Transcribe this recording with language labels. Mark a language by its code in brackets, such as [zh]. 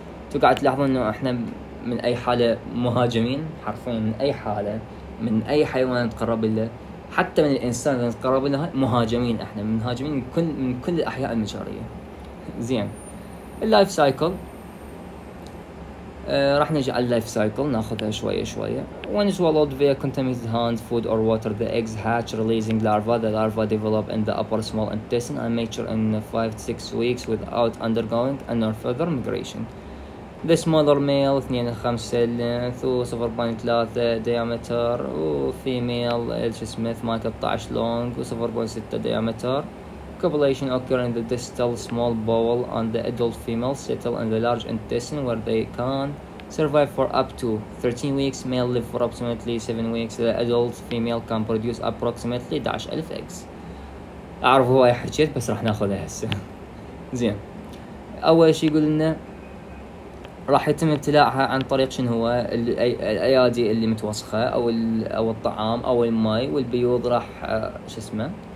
[ar] تقعد تلاحظون انه احنا من اي حالة مهاجمين، حرفيا من اي حالة، من اي حيوان نتقرب له، حتى من الانسان اللي نتقرب له مهاجمين، احنا مهاجمين من كل الاحياء المجرية، زين. اللايف سايكل، راح نجي على اللايف سايكل، ناخذها شويه شويه. [en] When swallowed via contaminated hand food or water, the eggs hatch, releasing larva. The larva develop in the upper small intestine and mature in 5-6 weeks without undergoing any further migration. The smaller male 2.5 length و 0.3 diameter و female [ar] ايش اسمه [en] 18 long و 0.6 diameter. Copulation occur in the distal small bowel and the adult female settle in the large intestine where they can survive for up to 13 weeks. Male live for approximately 7 weeks. The adult female can produce approximately 10,000 eggs. [ar] أعرف هو أي حكيت بس راح ناخذها هسه. زين. أول شيء يقول لنا راح يتم ابتلاعها عن طريق شنو هو؟ الأيادي اللي متوسخة أو الطعام أو الماي، والبيوض راح شو اسمه؟